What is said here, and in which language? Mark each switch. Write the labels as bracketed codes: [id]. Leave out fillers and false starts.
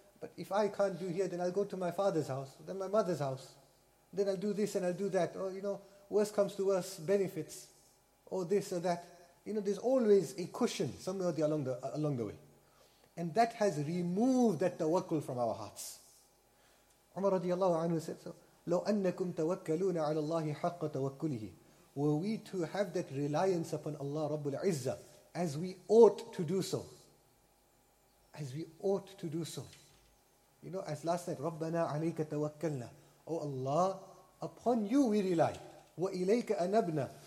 [en] But if I can't do here, then I'll go to my father's house, then my mother's house. Then I'll do this and I'll do that. Or, you know, worst comes to worst, benefits. Or this or that. You know, there's always a cushion somewhere along the way. And that has removed that tawakkul from our hearts. Umar radiallahu anhu said, so, [ar] لو أنكم توكلون على الله حق توكله. [en] Were we to have that reliance upon Allah Rabbul Izzah, as we ought to do so. As we ought to do so. You know, as last night, [ar] رَبَّنَا عَلَيْكَ تَوَكَّلْنَا. [en] Oh Allah, upon you we rely. [ar] وَإِلَيْكَ أَنَبْنَا.